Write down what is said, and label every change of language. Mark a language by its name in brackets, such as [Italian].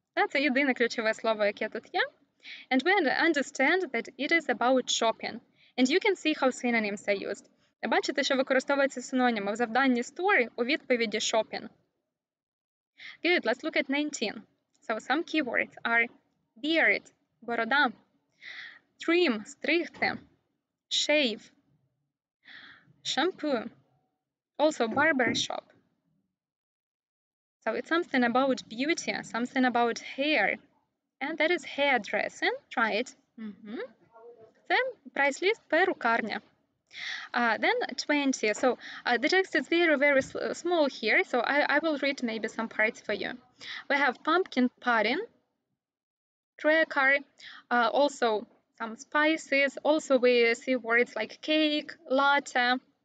[Ukrainian] Це єдине ключове слово, яке тут є. [English] And we understand that it is about shopping. And you can see how synonyms are used. [Ukrainian] Бачите, що використовується синоніми в завданні store у відповіді shopping. [English] Good, let's look at 19. So, some keywords are beard – [Ukrainian] борода, [English] trim – [Ukrainian] стригти, [English] shave, shampoo. Also, barbershop. So, it's something about beauty, something about hair. And that is hairdressing. Try it. Mm-hmm. [Ukrainian] Це прайс-ліст перукарня. [English] Then, 20. So, the text is very, very small here. So, I will read maybe some parts for you. We have pumpkin pudding, cracker, also some spices. Also, we see words like cake, latte.